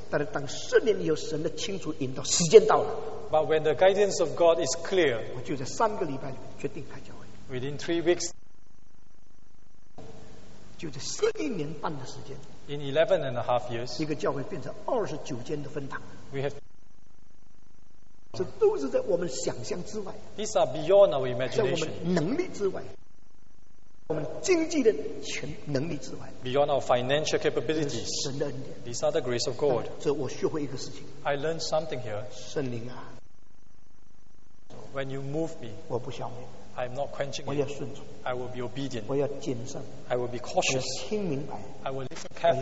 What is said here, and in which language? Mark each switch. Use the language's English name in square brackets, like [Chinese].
[Chinese] 但是当十年以后，神的清楚引导，时间到了。 [English] But when the guidance of God is clear, [Chinese] 我就在三个礼拜决定开教会。 [English] Within 3 weeks, [Chinese] 就在11年半的时间。 [English] In 11 and a half years, [Chinese] 一个教会变成29间的分堂。 [English] We have. [Chinese] 这都是在我们想象之外。 [English] These are beyond our imagination. [Chinese] 在我们能力之外。我们经济的全能力之外, [English] beyond our financial capabilities, [Chinese] 神的恩典, [English] these are the grace of God. [Chinese] 这我学会一个事情, [English] I learned something here. [Chinese] 圣灵啊, [English] when you move me, [Chinese] 我不消灭, [English] I'm not quenching you. I will be obedient. [Chinese] 我要谨慎, [English] I will be cautious. [Chinese] 我要听明白, [English] I will listen carefully.